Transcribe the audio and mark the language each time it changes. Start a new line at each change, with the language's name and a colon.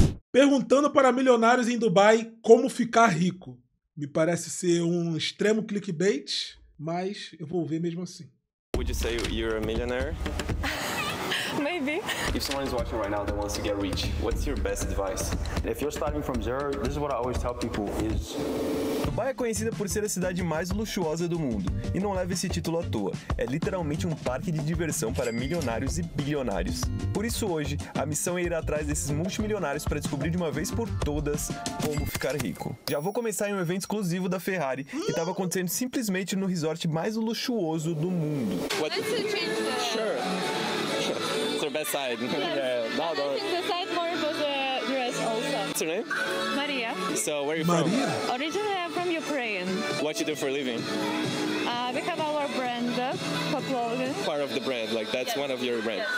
Portuguese: Perguntando para milionários em Dubai como ficar rico. Me parece ser um extremo clickbait, mas eu vou ver mesmo assim.
English: Would you say you're a millionaire? Maybe. If someone is watching right now that wants to get rich, what's your best advice? If you're starting from zero, this is what I always tell people is...
Portuguese: Dubai é conhecida por ser a cidade mais luxuosa do mundo, e não leva esse título à toa. É literalmente um parque de diversão para milionários e bilionários. Por isso hoje, a missão é ir atrás desses multimilionários para descobrir de uma vez por todas como ficar rico. Já vou começar em um evento exclusivo da Ferrari, que estava acontecendo simplesmente no resort mais luxuoso do mundo.
English: What? Sure. Best side. Yes. Yeah. No, I think the side more about the dress also. What's your name? Maria. So where are you Maria? From? Originally I'm from Ukraine. What you do for a living? We have our brand for clothing. Part of the brand, like that's yes. One of your brands.